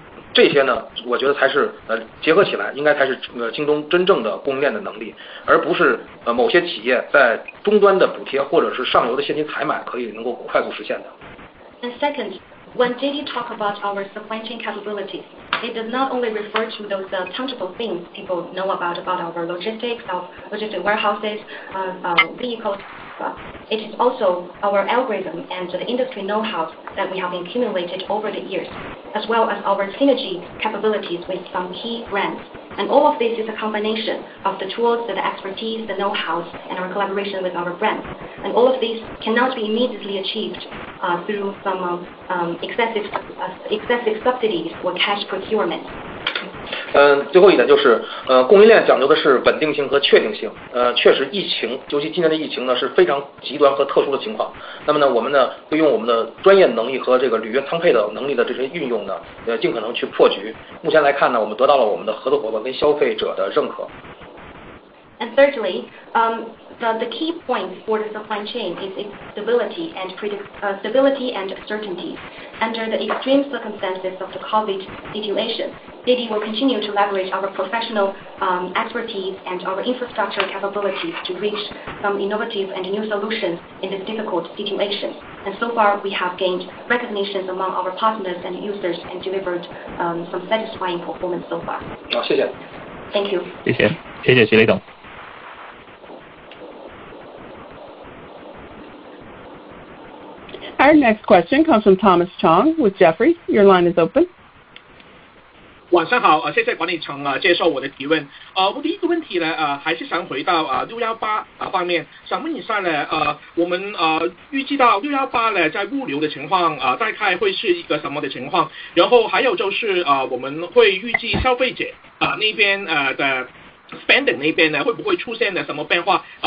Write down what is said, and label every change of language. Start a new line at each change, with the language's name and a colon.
Chinese: 这些呢，我觉得才是结合起来，应该才是京东真正的供应链的能力，而不是某些企业在终端的补贴或者是上游的现金采买可以能够快速实现的。
English: And second, when JD talk about our supply chain capabilities, it does not only refer to those tangible things people know about our logistics, our logistic warehouses, vehicles. It is also our algorithm and the industry know-how that we have accumulated over the years, as well as our synergy capabilities with some key brands. And all of this is a combination of the tools, the expertise, the know-how, and our collaboration with our brands. And all of these cannot be immediately achieved through some excessive subsidies or cash procurement.
Chinese: 最后一点就是供应链讲究的是稳定性和确定性。确实疫情，尤其今年的疫情呢，是非常极端和特殊的情况。那么呢，我们呢会用我们的专业能力和这个履约仓配的能力的这些运用呢，尽可能去破局。目前来看呢，我们得到了我们的合作伙伴跟消费者的认可。
English: And thirdly, the key point for the supply chain is its stability and stability and certainty. Under the extreme circumstances of the COVID situation, JD will continue to leverage our professional expertise and our infrastructure capabilities to reach some innovative and new solutions in this difficult situation. And so far, we have gained recognition among our partners and users and delivered some satisfying performance so far.
Chinese: 好，谢谢。
English: Thank you.
Chinese: 谢谢徐雷总。
English: Our next question comes from Thomas Chong with Jefferies. Your line is open.
Chinese: 晚上好，谢谢管理层接受我的提问。我第一个问题呢，还是想回到618方面，想问一下呢，我们预计到618呢，在物流的情况大概会是一个什么的情况？然后还有就是我们会预计消费者那边的spending 那边呢会不会出现的什么变化？